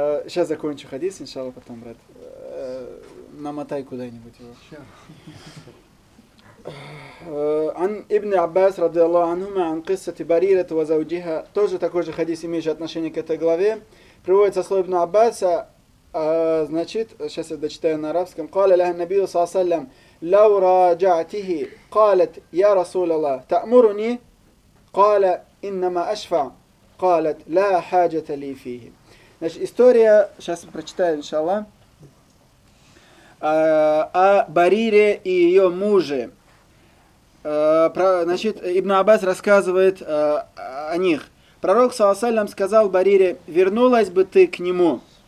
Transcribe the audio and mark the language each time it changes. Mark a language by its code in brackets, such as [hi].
[ru] Сейчас закончу хадис, иншаллах, потом, брат, намотай куда-нибудь его. [ar] عن ابن عباس رضي الله عنهما عن قصة بريرة وزوجها [ru] тоже такой же хадис, имеющий отношение к этой главе, приводится слово ابن عباس, значит, сейчас я дочитаю на арабском. [ar] قال لها النبي صلى الله عليه وسلم لو راجعته قالت يا رسول الله تأمرني قال إنما أشفع قالت لا حاجة لي فيه. [ru] Значит, история, сейчас прочитаю иншаллах, о Барире и ее муже. Значит, Ибн Аббас рассказывает о них. Пророк, саллаллаху алейхи ва саллям, сказал Барире: вернулась бы ты к нему.